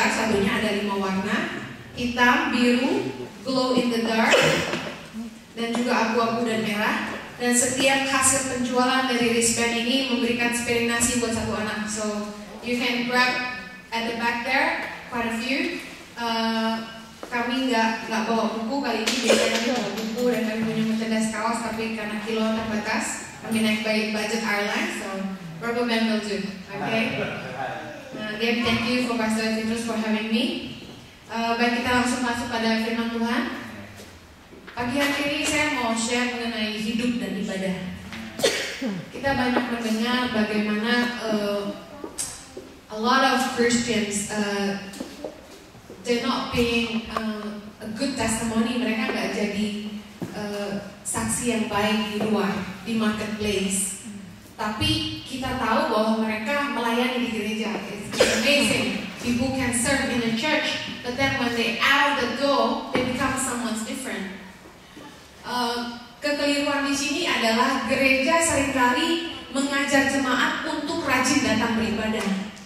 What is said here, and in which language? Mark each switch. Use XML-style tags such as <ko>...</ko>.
<id>Satunya ada 5 warna, hitam, biru, glow in the dark, dan juga abu-abu dan merah. Dan setiap hasil penjualan dari wristband ini memberikan inspirasi buat satu anak.</id> <en>So you can grab at the back there. Quite a few.</en> <id>Kami nggak bawa buku kali ini, biasanya kami bawa buku dan kami punya merchandise kaos, tapi karena kilo terbatas, kami naik by budget airline,</id> <en>so recommend will do. Okay. Again, thank you for Pastor Titus for having me.</en> <id>Baik, kita langsung masuk pada firman Tuhan. Pagi hari ini saya mau share mengenai hidup dan ibadah. Kita banyak mendengar bagaimana</id> <en>a lot of Christians, they're not being a good testimony.</en> <id>Mereka nggak jadi saksi yang baik di luar, di marketplace. Tapi kita tahu bahwa mereka melayani di gereja.</id> <en>It's amazing. People can serve in a church, but then when they out the door, they become someone's different.</en> <id>Kekeliruan di sini adalah gereja seringkali mengajar jemaat untuk rajin datang beribadah.</id>